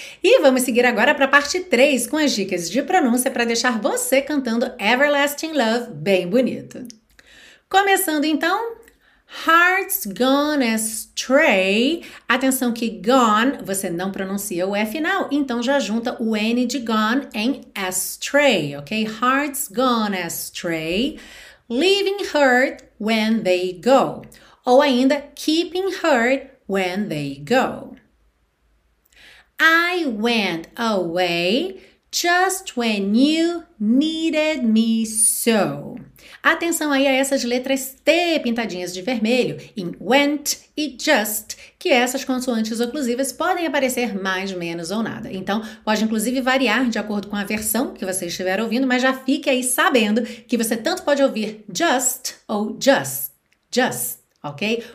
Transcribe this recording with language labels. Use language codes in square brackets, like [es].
[pt] E vamos seguir agora para a parte 3 com as dicas de pronúncia para deixar você cantando Everlasting Love bem bonito. Começando então... [en] Heart's gone astray. [pt] Atenção que gone, você não pronuncia o E final, então já junta o N de gone em astray, ok? [en] Heart's gone astray. Leaving hurt when they go. [pt] Ou ainda, [en] keeping hurt when they go. I went away just when you needed me so. [pt] Atenção aí a essas letras T pintadinhas de vermelho em went e just, que essas consoantes oclusivas podem aparecer mais, menos ou nada. Então, pode inclusive variar de acordo com a versão que você estiver ouvindo, mas já fique aí sabendo que você tanto pode ouvir just ou just, ok?